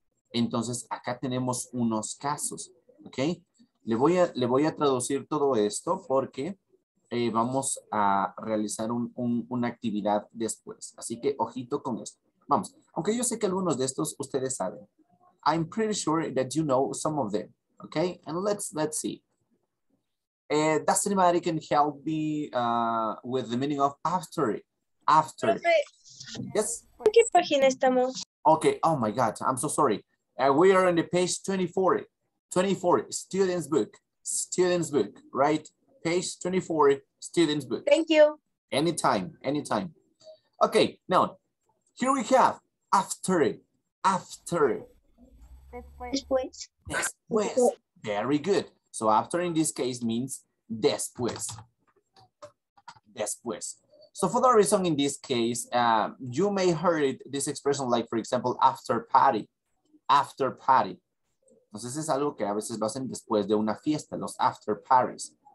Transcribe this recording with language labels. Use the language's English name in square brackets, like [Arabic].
[Spanish] Entonces, acá tenemos unos casos. ¿Ok? Le voy a traducir todo esto porque vamos a realizar una actividad después. Así que, ojito con esto. Vamos. Aunque yo sé que algunos de estos ustedes saben. [English] I'm pretty sure that you know some of them. ¿Ok? And let's see. Does anybody can help me with the meaning of after? After. Yes. [Spanish] ¿En qué página estamos? [English] Okay. Oh my God. I'm so sorry. We are on the page 24. 24. Students' book. Students' book. Right. Page 24. Students' book. Thank you. Anytime. Anytime. Okay. Now, here we have after. After. [Spanish] Después. [English] Después. Very good. So after in this case means después. Después. So for the reason in this case, you may heard it, this expression like, for example, after party. After party. [Spanish] Entonces es algo que a veces lo hacen después de una fiesta, los after parties.